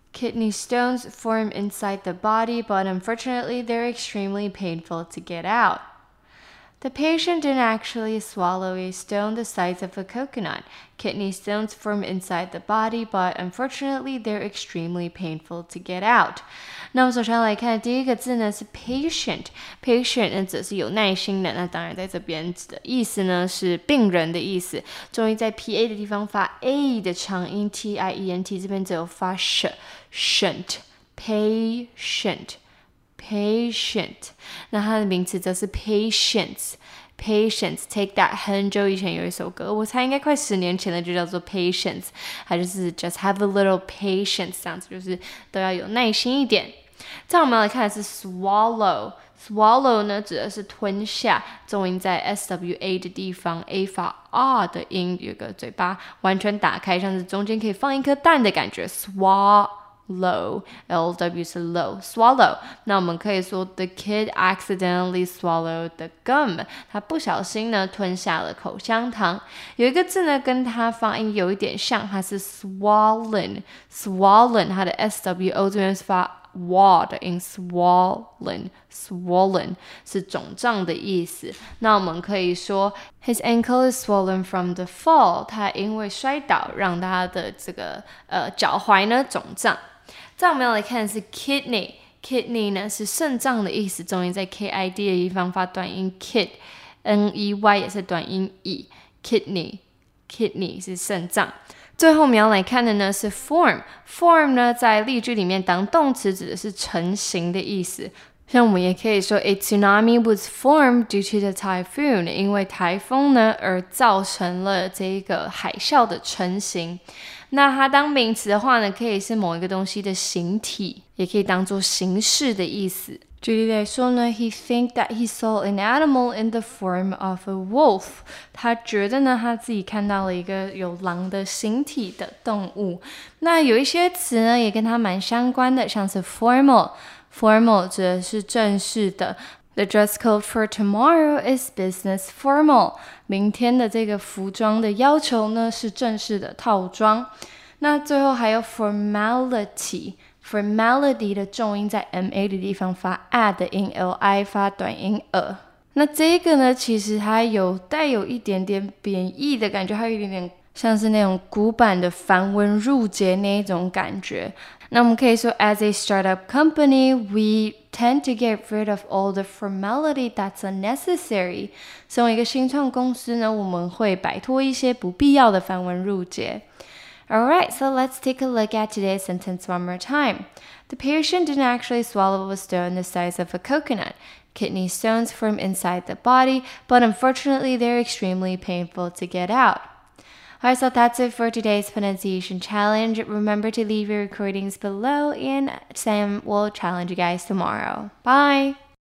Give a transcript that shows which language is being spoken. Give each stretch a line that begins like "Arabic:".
English: Kidney stones form inside the body, but unfortunately they're extremely painful to get out. The patient didn't actually swallow a stone the size of a coconut. Kidney stones form inside the body, but unfortunately, they're extremely painful to get out.
Chinese: 那我们首先来看第一个字呢是 patient。patient 呢则是有耐心的，那当然在这边指的意思呢是病人的意思。终于在 PA 的地方发 A 的长音 T-I-E-N-T， 这边只有发 sh， shent， patient。 Patient， 那它的名词则是 patience。 Patience， take that， 很久以前有一首歌，我猜应该快十年前的，就叫做 patience， 它就是 just have a little patience，这样子就是都要有耐心一点。再我们来看的是 swallow。Swallow 呢指的是吞下，重音在 swa 的地方， a 发 r 的音，有个嘴巴完全打开，像是中间可以放一颗蛋的感觉， swallow, L-W 是 low, swallow. 那我们可以说
English: the kid accidentally swallowed the gum.
Chinese: 他不小心呢吞下了口香糖。有一个字呢跟他发音有一点像，它是 swollen, swollen, 它的 S-W-O 这边是发 wa 的音， swollen, swollen, 是肿胀的意思。那我们可以说
English: his ankle is swollen from the fall.
Chinese: 他因为摔倒让他的这个脚踝呢肿胀。再我们要来看的是 kidney， kidney 呢是肾脏的意思，重音在 kid 的地方发短音 kid， ney 也是短音 e， kidney， kidney 是肾脏。最后我们要来看的呢是 form， form 呢在例句里面当动词指的是成型的意思，像我们也可以说
English: a tsunami was formed due to the typhoon，
Chinese: 因为台风呢而造成了这个海啸的成型。那它当名词的话呢，可以是某一个东西的形体，也可以当作形式的意思。举例来说呢，
English: he think that he saw an animal in the form of a wolf，
Chinese: 他觉得呢他自己看到了一个有狼的形体的动物。那有一些词呢也跟它蛮相关的，像是 formal， formal 指的是正式的。
English: The dress code for tomorrow is business formal.
Chinese: 明天的这个服装的要求呢是正式的套装。那最后还有 formality， formality 的重音在 ma 的地方发 a 的音， li 发短音 a。那这个呢，其实它有带有一点点贬义的感觉，还有一点点像是那种古板的繁文缛节那一种感觉。那我们可以说
English: ，as a startup company, we tend to get rid of all the formality that's unnecessary.
Chinese: 身为一个新创公司呢，我们会摆脱一些不必要的繁文缛节。
English: All right, so let's take a look at today's sentence one more time. The patient didn't actually swallow a stone the size of a coconut. Kidney stones form inside the body, but unfortunately, they're extremely painful to get out. Alright, so that's it for today's pronunciation challenge. Remember to leave your recordings below and Sam will challenge you guys tomorrow. Bye!